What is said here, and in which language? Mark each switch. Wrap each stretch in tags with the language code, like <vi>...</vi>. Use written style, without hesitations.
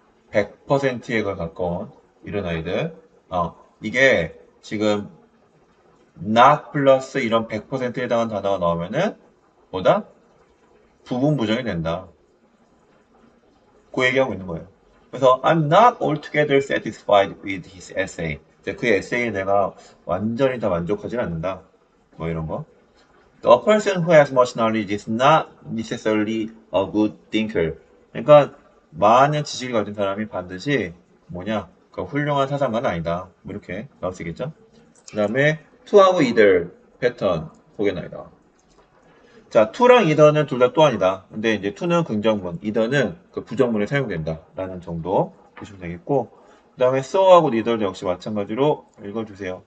<ko>100%에 가까운 이런 아이들. 이게 지금 not plus 이런 100%에 해당한 단어가 나오면은 보다 부분 부정이 된다. 그 얘기하고 있는 거예요. 그래서</ko> <en>I'm not altogether satisfied with his essay.</en> <ko>그 에세이에 내가 완전히 다 만족하지는 않는다. 뭐 이런 거.</ko> <en>The person who has much knowledge is not necessarily a good thinker.</en> <ko>그러니까 많은 지식을 가진 사람이 반드시 뭐냐? 그 훌륭한 사상가는 아니다. 뭐 이렇게 나오시겠죠? 그다음에 to하고 either 패턴 보겠나이다. 자, to랑 either는 둘다또 아니다. 근데 이제 to는 긍정문, either는 그 부정문에 사용된다라는 정도 보시면 되겠고, 그다음에 so하고 neither도 역시 마찬가지로 읽어주세요.</ko>